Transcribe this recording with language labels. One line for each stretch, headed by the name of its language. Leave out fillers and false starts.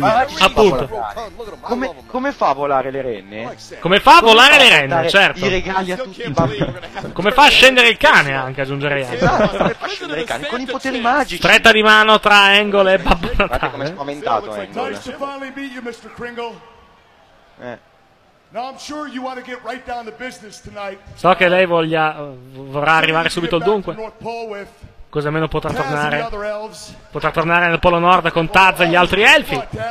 Italian: Appunto. Come fa a volare le renne? Certo. I regali a tutti. Come fa a scendere il cane, anche aggiungerei. Esatto, come fa a scendere il cane? Con i poteri magici. Stretta di mano tra Angle e Babbo Natale. Guarda come è spaventato Angle.
English: Now I'm sure you want to get right down to business tonight.
Italian: So che lei vorrà arrivare subito al dunque. Cosa meno potrà tornare? Potrà tornare nel Polo Nord con Taz e gli altri elfi.